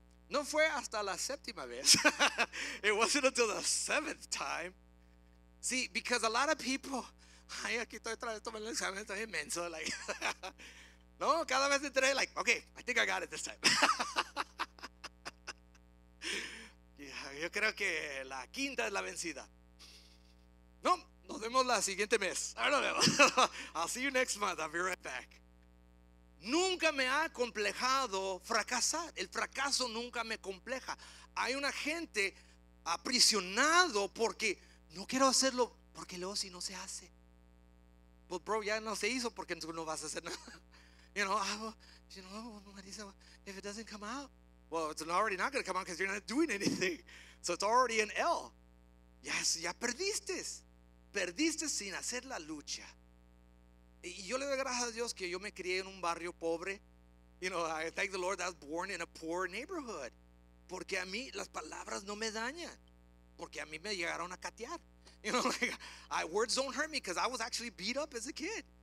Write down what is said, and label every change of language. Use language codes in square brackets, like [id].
[es] No fue hasta la séptima vez. [en] It wasn't until the seventh time. See, because a lot of people, [es] ay, aquí estoy otra vez tomando el examen, estoy inmenso. [en] Like, no, [es] cada vez entré, [en] like, okay, I think I got it this time. [es] Yo creo que la quinta es la vencida. No, nos vemos la siguiente mes. [en] I don't know. I'll see you next month. I'll be right back. [es] Nunca me ha complejado fracasar. El fracaso nunca me compleja. Hay una gente aprisionado porque no quiero hacerlo, porque luego si no se hace, pues bro, ya no se hizo, porque tú no vas a hacer nada. [en] You know, Marisa, if it doesn't come out, well, it's already not going to come out because you're not doing anything. So it's already an L. Yes, [es] ya perdiste. Perdiste sin hacer la lucha. Y yo le doy gracias a Dios que yo me crié en un barrio pobre. [en] You know, I thank the Lord that I was born in a poor neighborhood. [es] Porque a mí las palabras no me dañan. Porque a mí me llegaron a catear. [en] You know, like, words don't hurt me because I was actually beat up as a kid.